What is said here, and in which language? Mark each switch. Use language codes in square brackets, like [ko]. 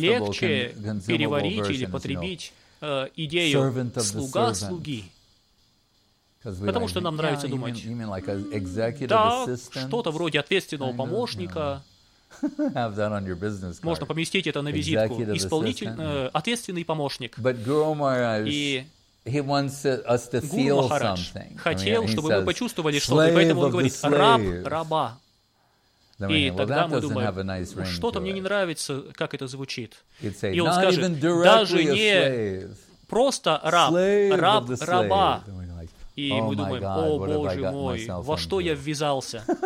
[ru] легче переварить или потребить идею «слуга-слуги». Потому что нам нравится думать, да, что-то вроде ответственного помощника, [en] have that on your business card. [ru] Можно поместить это на визитку. Исполнитель, ответственный помощник. [en] But Guru Maharaj, и he wants us to feel something. [ru] Хотел, чтобы мы почувствовали что-то, поэтому он говорит, раб, раба. И тогда мы думаем, что-то мне не нравится, как это звучит. И он скажет, даже не просто раба. И мы думаем, о боже мой, во что я ввязался.